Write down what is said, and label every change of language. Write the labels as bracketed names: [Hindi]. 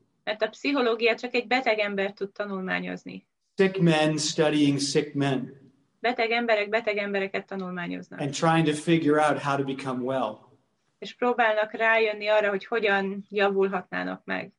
[Hungarian] Mert a pszichológia csak egy beteg embert tud tanulmányozni. [English] Sick men studying sick men. [Hungarian] Beteg emberek beteg embereket tanulmányoznak. [English] And trying to figure out how to become well. [Hungarian] És próbálnak rájönni arra, hogy hogyan javulhatnának meg.